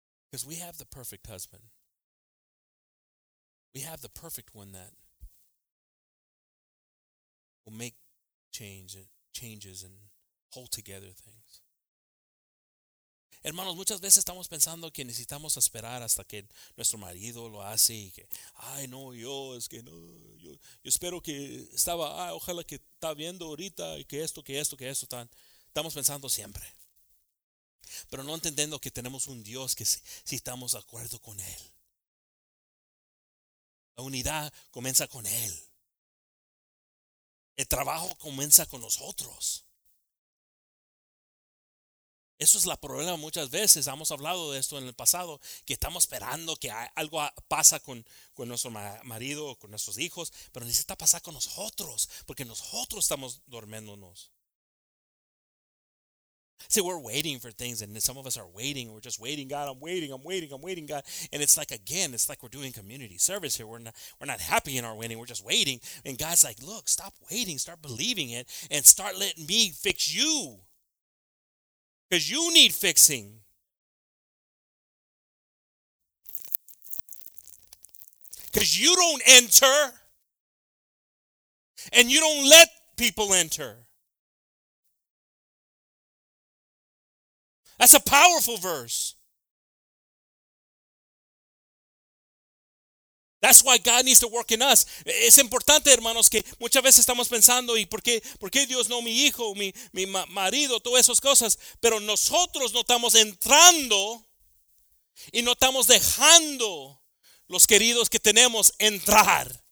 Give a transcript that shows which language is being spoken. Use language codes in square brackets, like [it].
[en] Because we have the perfect husband. We have the perfect one that will make changes and hold together things. [es] Hermanos, muchas veces estamos pensando que necesitamos esperar hasta que nuestro marido lo hace y que, ay, no, yo, es que no, yo espero que estaba, ay, ojalá que está viendo ahorita y que esto, tan. Estamos pensando siempre. Pero no entendiendo que tenemos un Dios que si estamos de acuerdo con Él. La unidad comienza con Él. El trabajo comienza con nosotros. Eso es el problema muchas veces. Hemos hablado de esto en el pasado, que estamos esperando que algo pasa con nuestro marido, con nuestros hijos, pero necesita pasar con nosotros, porque nosotros estamos durmiéndonos. [en] See, we're waiting for things, and some of us are waiting. We're just waiting, God, I'm waiting, God. And it's like, again, it's like we're doing community service here. We're not happy in our waiting. We're just waiting. And God's like, look, stop waiting. Start believing it and start letting me fix you. Because you need fixing. Because you don't enter. And you don't let people enter. That's a powerful verse. That's why God needs to work in us. [es] Es importante, hermanos, que muchas veces estamos pensando, ¿y por qué Dios no mi hijo, mi marido, todas esas cosas? Pero nosotros no estamos entrando y no estamos dejando los queridos que tenemos entrar.